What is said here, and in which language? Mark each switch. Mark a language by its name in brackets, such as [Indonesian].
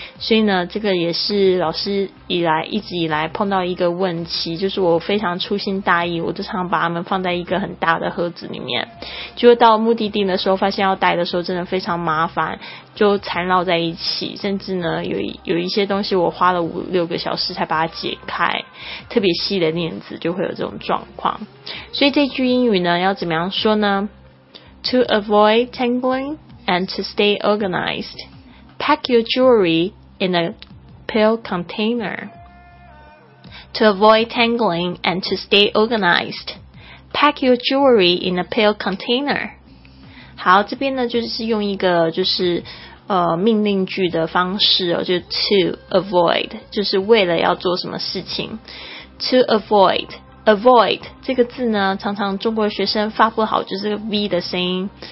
[Chinese] 所以呢，这个也是老师一直以来碰到一个问题，就是我非常粗心大意，我就常把它们放在一个很大的盒子里面，结果到目的地的时候发现要带的时候真的非常麻烦，就缠绕在一起，甚至呢 有一些东西我花了5-6个小时才把它解开，特别细的链子就会有这种状况。所以这句英语呢要怎么样说呢？ [English] To avoid tangling and to stay organized, pack your jewelry in a pale containerTo avoid tangling and to stay organized, pack your jewelry in a pale container. [Chinese] 好，这边呢就是用一个就是命令句的方式哦，就 [English] to avoid [Chinese] 就是为了要做什么事情。 [English] To avoid, avoid [Chinese] 这个字呢，常常中国学生发不好，就是这个 V 的声音。